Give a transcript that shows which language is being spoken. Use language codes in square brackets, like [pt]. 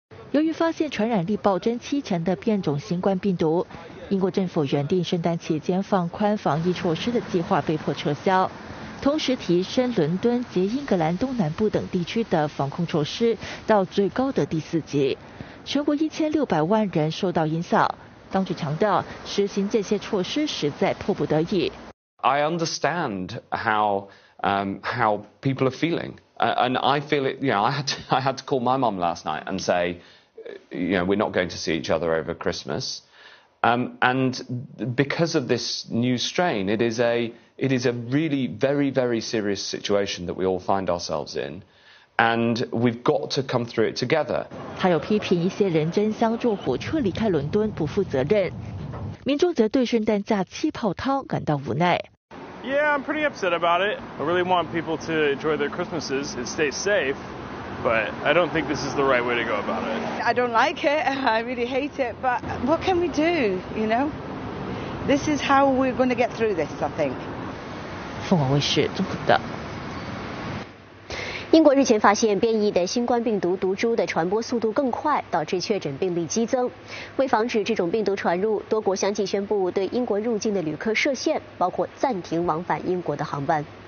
[zh] 由于发现传染力暴增7成的变种新冠病毒，英国政府原定圣诞期间放宽防疫措施的计划被迫撤销，同时提升伦敦及英格兰东南部等地区的防控措施到最高的第四级，全国1600万人受到影响。当局强调，实行这些措施实在迫不得已。 [en] I understand how people are feeling. And I feel it, you know, I had to call my mum last night and say, you know, we're not going to see each other over Christmas. And because of this new strain, it is a really very, very serious situation that we all find ourselves in. And we've got to come through it together. [zh] 他有批评一些人争相坐火车离开伦敦不负责任，民众则对圣诞假期泡汤感到无奈。 [en] Yeah, I'm pretty upset about it. I really want people to enjoy their Christmases and stay safe, but I don't think this is the right way to go about it. I don't like it. I really hate it. But what can we do, you know? This is how we're going to get through this, I think. [zh] 凤凰卫视综合的。英国日前发现变异的新冠病毒毒株的传播速度更快，导致确诊病例激增。为防止这种病毒传入，多国相继宣布对英国入境的旅客设限，包括暂停往返英国的航班。